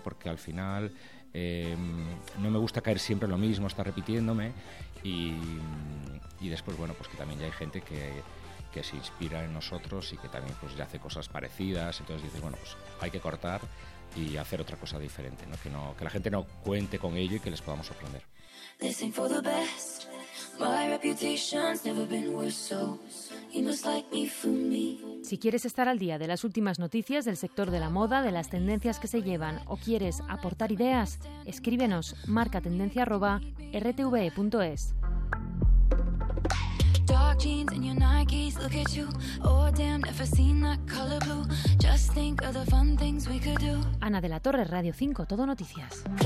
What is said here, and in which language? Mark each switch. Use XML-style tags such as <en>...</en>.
<es>Porque al final no me gusta caer siempre lo mismo, estar repitiéndome y después, bueno, pues que también ya hay gente que se inspira en nosotros y que también pues ya hace cosas parecidas, entonces dices, bueno, pues hay que cortar y hacer otra cosa diferente, ¿no? Que la gente no cuente con ello y que les podamos sorprender.</es> <en>Listen for the best. My reputation's never been worse, so you must like me for me.</en> <es>Si quieres estar al día de las últimas noticias del sector de la moda, de las tendencias que se llevan o quieres aportar ideas, escríbenos marcatendencia@rtve.es.</es> <en>Dark jeans and your Nikes, look at you. Oh damn, never seen that color blue. Just think of the fun things we could do. Ana de la Torre, Radio 5, Todo Noticias.</en>